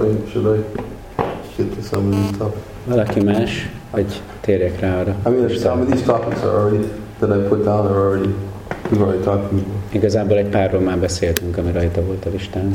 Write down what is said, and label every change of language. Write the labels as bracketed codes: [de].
[en] Should I get to some of these topics? [hu] Valaki más, vagy térjek rá arra. [en] I mean, some of these topics are already that I put down are already we've already talked about. [hu] Igazából egy párról már beszéltünk, ami rajta volt a listán.